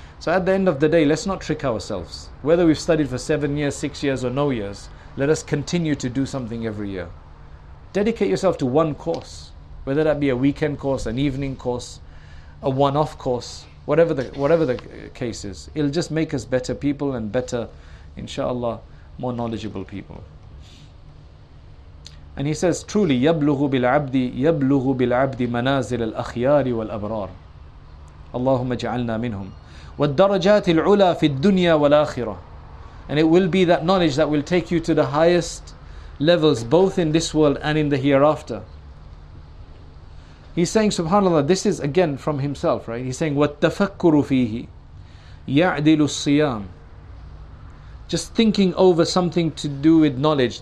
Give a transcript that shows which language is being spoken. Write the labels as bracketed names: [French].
[English] So at the end of the day, let's not trick ourselves. Whether we've studied for 7 years, 6 years, or no years, let us continue to do something every year. Dedicate yourself to one course, whether that be a weekend course, an evening course, a one-off course, whatever the case is. It'll just make us better people and better, inshallah, more knowledgeable people. And he says, truly, [Arabic] يَبْلُغُ بِالْعَبْدِ مَنَازِلَ الْأَخْيَارِ وَالْأَبْرَارِ اللَّهُمَّ جَعَلْنَا مِنْهُمْ وَالدَّرَجَاتِ الْعُلَى فِي الدُّنْيَا وَالْآخِرَةِ. [English] And it will be that knowledge that will take you to the highest levels, both in this world and in the hereafter. He's saying, subhanAllah, this is again from himself, right? He's saying, [Arabic] وَالتَّفَكُّرُ فِيهِ يَعْدِلُ الصِّيَامِ. [English] Just thinking over something to do with knowledge.